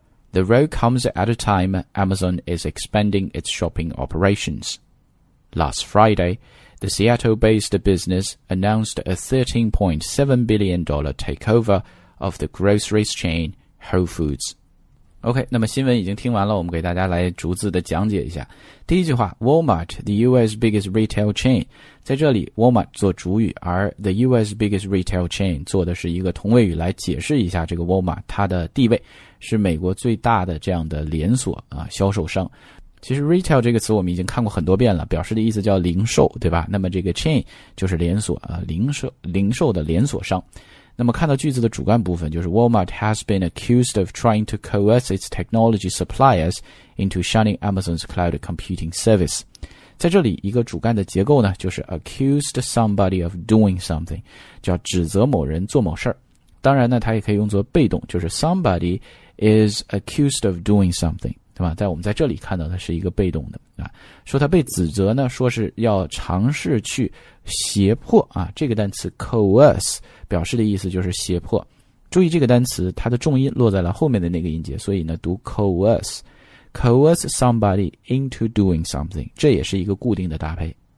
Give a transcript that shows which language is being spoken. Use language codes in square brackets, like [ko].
[en] The row comes at a time Amazon is expanding its shopping operations. Last Friday, the Seattle-based business announced a $13.7 billion takeover of the groceries chain Whole Foods. [zh] OK, 那么新闻已经听完了，我们给大家来逐字的讲解一下。第一句话 ,Walmart, [en] the US biggest retail chain, [zh] 在这里 Walmart 做主语，而 the US biggest retail chain 做的是一个同位语来解释一下这个 Walmart, 它的地位是美国最大的这样的连锁啊销售商。其实 retail 这个词我们已经看过很多遍了，表示的意思叫零售，对吧？那么这个 chain 就是连锁啊，零售的连锁商。那么看到句子的主干部分，就是 [en] Walmart has been accused of trying to coerce its technology suppliers into shunning Amazon's cloud computing service。 [zh] 在这里，一个主干的结构呢，就是 [en] accused somebody of doing something， [zh] 叫指责某人做某事儿。当然呢，它也可以用作被动，就是 [en] somebody is accused of doing something。 [zh] 对吧，在我们在这里看到的是一个被动的啊，说他被指责呢，说是要尝试去胁迫啊，这个单词 coerce 表示的意思就是胁迫，注意这个单词它的重音落在了后面的那个音节，所以呢读 coerce， [en] coerce somebody into doing something， [zh] 这也是一个固定的搭配。